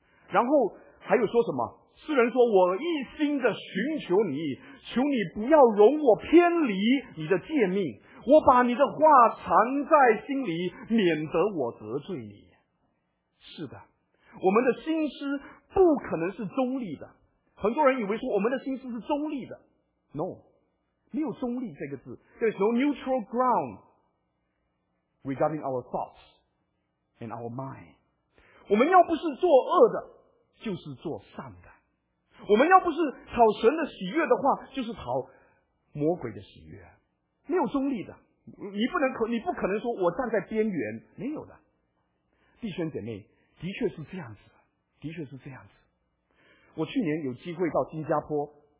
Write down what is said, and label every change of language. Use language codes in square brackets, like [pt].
[zh] 然后还有说什么？诗人说，我一心的寻求你，求你不要容我偏离你的诫命，我把你的话藏在心里，免得我得罪你。是的，我们的心思不可能是中立的。很多人以为说我们的心思是中立的， No， 没有中立这个字。 [en] There's no neutral ground regarding our thoughts and our mind。 [zh] 我们要不是做恶的，就是做善的；我们要不是讨神的喜悦的话，就是讨魔鬼的喜悦。没有中立的，你不可能说我站在边缘，没有的。弟兄姐妹，的确是这样子，的确是这样子。我去年有机会到新加坡